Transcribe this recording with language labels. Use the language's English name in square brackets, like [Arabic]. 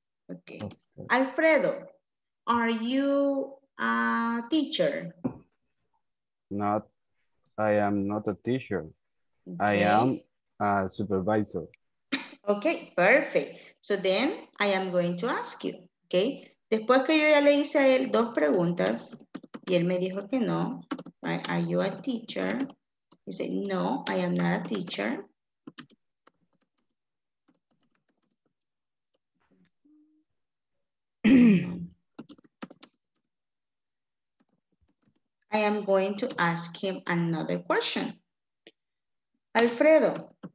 [English] Okay. Alfredo, are you a teacher? Not, I am not a teacher. Okay. I am a supervisor. Okay, perfect. So then I am going to ask you, okay? [Spanish] Después que yo ya le hice a él dos preguntas y él me dijo que no, right? [English] Are you a teacher? He said, no, I am not a teacher. I am going to ask him another question. Alfredo.